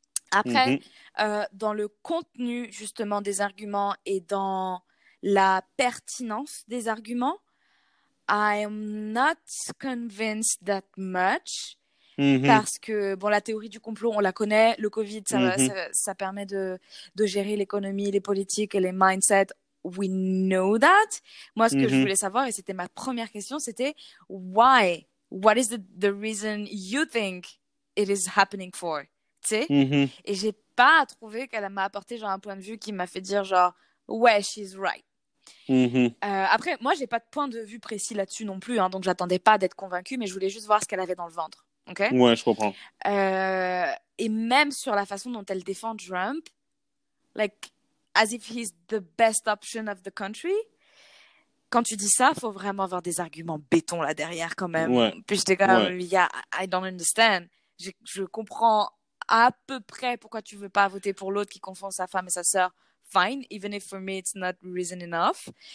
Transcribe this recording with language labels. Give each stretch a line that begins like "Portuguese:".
French: Après, dans le contenu justement des arguments et dans la pertinence des arguments,
English: I am not convinced that much.
French: Parce que, bon, la théorie du complot, on la connaît. Le Covid, ça permet de gérer l'économie, les politiques et les mindsets.
English: We know that.
French: Moi, ce que je voulais savoir, et c'était ma première question, c'était
English: why? What is the reason you think it is happening for?
French: Tu sais? Et j'ai pas trouvé qu'elle m'a apporté genre un point de vue qui m'a fait dire genre, ouais,
English: she's right.
French: Après, moi, j'ai pas de point de vue précis là-dessus non plus, hein, donc j'attendais pas d'être convaincue, mais je voulais juste voir ce qu'elle avait dans le ventre.
English: Okay.
French: Ouais, je comprends. Et même sur la façon dont elle défend Trump,
English: like as if he's the best option of the country.
French: Quand tu dis ça, faut vraiment avoir des arguments béton là derrière quand Ouais, même. Puis j'étais ouais.
English: comme, yeah, I don't understand.
French: Je comprends à peu près pourquoi tu veux pas voter pour l'autre qui confond sa femme et sa sœur.
English: Fine, even if for me it's not reason enough.